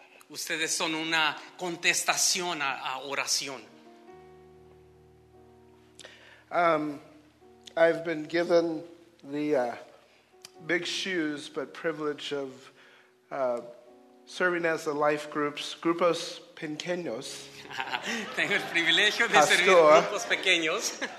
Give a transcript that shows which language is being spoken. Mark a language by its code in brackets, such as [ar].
[es] Ustedes son una contestación a oración. [en] I've been given the big shoes, but privilege of serving as the life groups, [es] grupos pequeños. Tengo el privilegio de servir grupos pequeños.